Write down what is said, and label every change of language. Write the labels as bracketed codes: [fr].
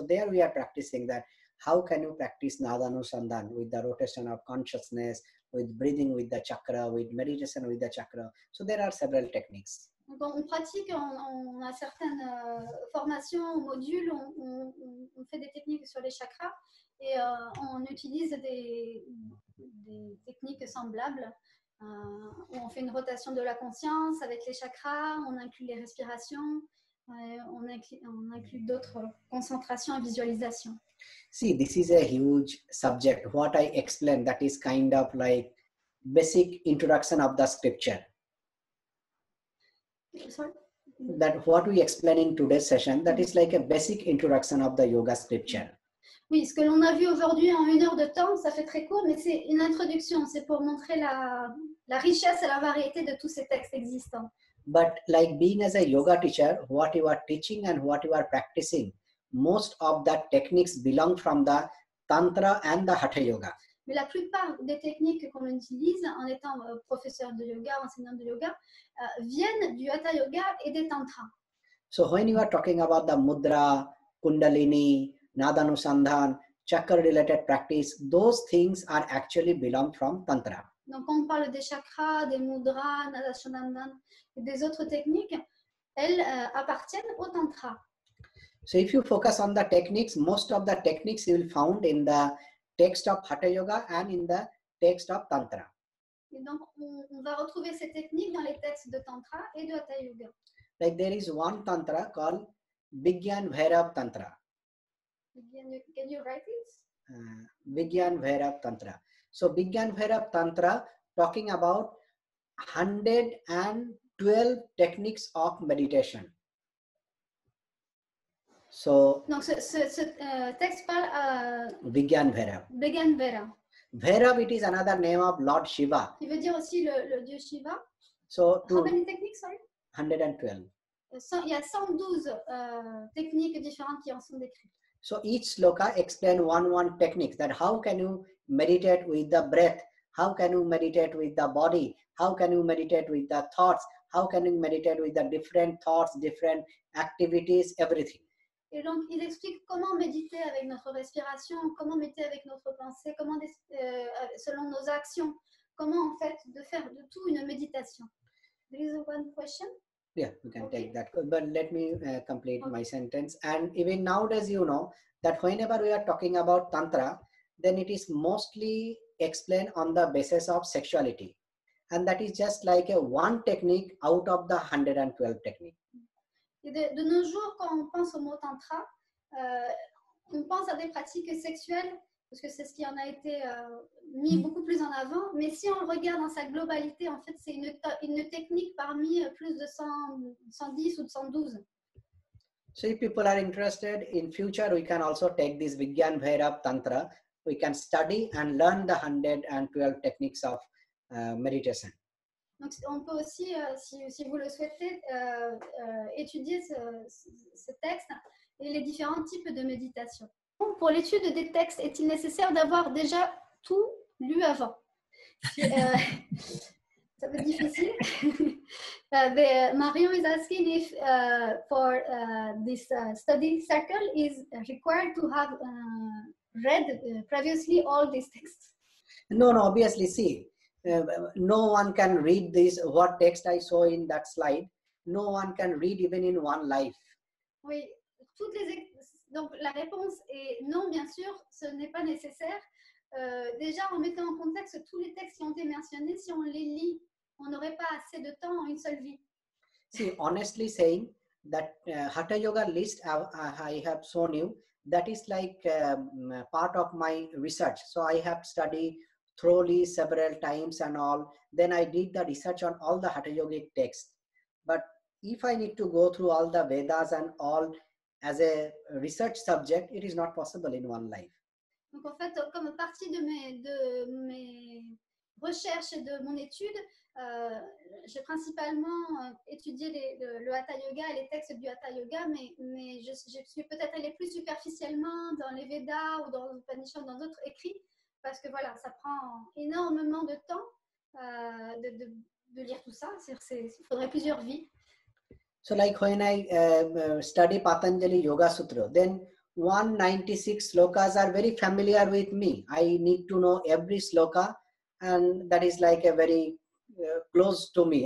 [en] So there we are practicing that. How can you practice Nadanusandhan with the rotation of consciousness, with breathing with the chakra, with meditation with the chakra. So there are several techniques. [fr] Donc on pratique, on a certaines formations, modules, on fait des techniques sur les chakras et on utilise des techniques semblables. Où on fait une rotation de la conscience avec les chakras, on inclut les respirations, on inclut d'autres concentrations et visualisations. [en] See, this is a huge subject. What I explain, that is kind of like basic introduction of the scripture. Sorry? That what we explain in today's session, that is like a basic introduction of the yoga scripture. [fr] Oui, ce que l'on a vu aujourd'hui en une heure de temps, ça fait très court, mais c'est une introduction. C'est pour montrer la richesse et la variété de tous ces textes existants. [en] But like being as a yoga teacher, what you are teaching and what you are practicing, most of that techniques belong from the tantra and the hatha yoga. [fr] Mais la plupart des techniques qu'on utilise en étant professeur de yoga, enseignant de yoga, viennent du hatha yoga et des tantras. [en] So when you are talking about the mudra, kundalini, nadanusandhan, chakra related practice, those things are actually belong from tantra. [fr] Donc quand on parle des chakras, des mudras, nadanusandhan et des autres techniques, elles appartiennent au tantra. [en] So if you focus on the techniques, most of the techniques you will find in the text of Hatha Yoga and in the text of Tantra. [fr] Et donc, on va retrouver ces techniques dans les textes de Tantra et de Hatha Yoga. [en] Like there is one Tantra called Vigyan Bhairav Tantra. Can you write it? Vigyan Bhairav Tantra. So Vigyan Bhairav Tantra talking about 112 techniques of meditation. So, [fr] donc ce texte parle à [en] Vigyan Bhairav. Vigyan Bhairav. Bhairav, it is another name of Lord Shiva. [fr] Il veut dire aussi le dieu Shiva. [en] So, how many techniques, sorry? 112. [fr] Il y a 112 techniques différentes qui en sont décrites. [en] So each sloka explain one technique that how can you meditate with the breath, how can you meditate with the body, how can you meditate with the thoughts, how can you meditate with the different thoughts, different activities, everything. [fr] Et donc, il explique comment méditer avec notre respiration, comment méditer avec notre pensée, comment selon nos actions, comment en fait de faire de tout une méditation. [en] There is one question. Yeah, we can take that. But let me complete my sentence. And even nowadays, you know that whenever we are talking about tantra, then it is mostly explained on the basis of sexuality, and that is just like a one technique out of the 112 techniques. [fr] Et de nos jours, quand on pense au mot tantra, on pense à des pratiques sexuelles parce que c'est ce qui en a été mis beaucoup plus en avant. Mais si on le regarde dans sa globalité, en fait, c'est une technique parmi plus de 110 ou de 112. [en] So if people are interested, in future we can also take this Vigyan Bhairav Tantra. We can study and learn the 112 techniques of meditation. [fr] Donc on peut aussi, si vous le souhaitez, étudier ce texte et les différents types de méditation. Pour l'étude des textes, est-il nécessaire d'avoir déjà tout lu avant? Ça peut être difficile. [en] Marion is asking if for this study circle is required to have read previously all these texts. No, obviously, see. No one can read this, what text I saw in that slide. No one can read even in one life. [fr] Oui, toutes les donc la réponse est non, bien sûr, ce n'est pas nécessaire. Déjà, en mettant en contexte tous les textes qui ont été mentionnés, si on les lit, on n'aurait pas assez de temps en une seule vie. [en] See, honestly saying that Hatha Yoga list I have shown you, that is like part of my research. So I have studied thoroughly several times and all. Then I did the research on all the Hatha Yogic texts. But if I need to go through all the Vedas and all as a research subject, it is not possible in one life. Donc en fait, comme partie de mes recherches et de mon étude, j'ai principalement étudié le Hatha Yoga et les textes du Hatha Yoga, mais je suis peut-être allée plus superficiellement dans les Vedas ou dans Upanishads, dans d'autres écrits. Parce que voilà, ça prend énormément de temps de lire tout ça. Il faudrait plusieurs vies. So like when I study Patanjali Yoga Sutra, then 196 slokas are very familiar with me. I need to know every sloka, and that is like a very close to me.